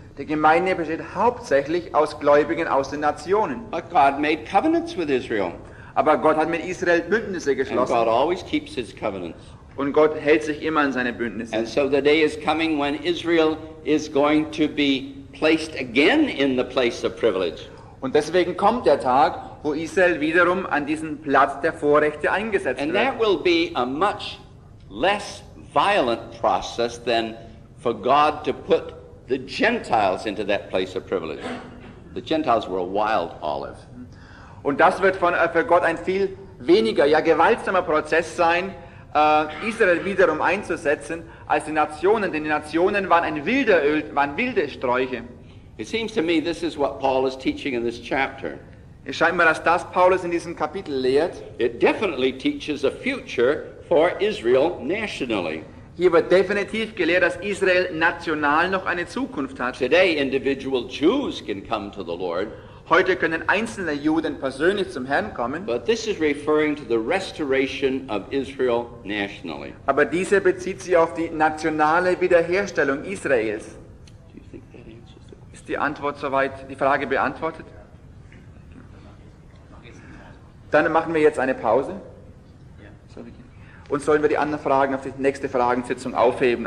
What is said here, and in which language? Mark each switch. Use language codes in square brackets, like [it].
[de] Die Gemeinde besteht hauptsächlich aus Gläubigen aus den Nationen. [en] But God made covenants with Israel. [de] Aber Gott hat mit Israel Bündnisse geschlossen. [en] And God always keeps his covenants. [de] Und Gott hält sich immer an seine Bündnisse. [en] And so the day is coming when Israel is going to be placed again in the place of privilege. [de] Und deswegen kommt der Tag, wo Israel wiederum an diesen Platz der Vorrechte eingesetzt wird. [en] And that will be a much less violent process than for God to put the Gentiles into that place of privilege. The Gentiles were a wild olive. [de] Und das wird für Gott ein viel weniger, ja gewaltsamer Prozess sein, Israel wiederum einzusetzen als die Nationen, denn die Nationen waren wilde Sträuche. [en] It seems to me this is what Paul is teaching in this chapter. [de] Es scheint mir, dass das Paulus in diesem Kapitel lehrt. [en] It definitely teaches a future for Israel nationally. [de] Hier wird definitiv gelehrt, dass Israel national noch eine Zukunft hat. [en] Today individual Jews can come to the Lord. [de] Heute können einzelne Juden persönlich zum Herrn kommen. [en] But this is referring to the restoration of Israel nationally. [de] Aber diese bezieht sich auf die nationale Wiederherstellung Israels. [en] Do you think that answers the question? [de] Ist die Antwort soweit, die Frage beantwortet? Dann machen wir jetzt eine Pause. Und sollen wir die anderen Fragen auf die nächste Fragensitzung aufheben?